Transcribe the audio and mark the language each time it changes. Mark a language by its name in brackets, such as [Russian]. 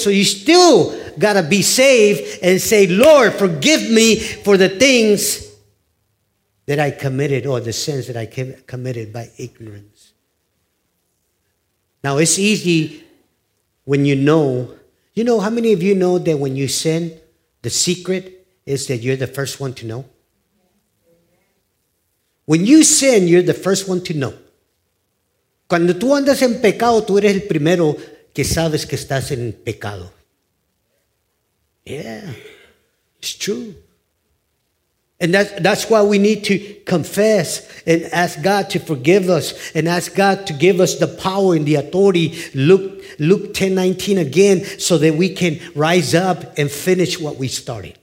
[English] So you still got to be saved and say, Lord, forgive me for the things that I committed or the sins that I committed by ignorance. Now, it's easy when you know. You know, how many of you know that when you sin, the secret is that you're the first one to know? When you sin, you're the first one to know. [Spanish] Cuando tú andas en pecado, tú eres el primero que sabes que estás en pecado. [English] Yeah, it's true. And that's why we need to confess and ask God to forgive us and ask God to give us the power and the authority. Luke 10:19 again, so that we can rise up and finish what we started.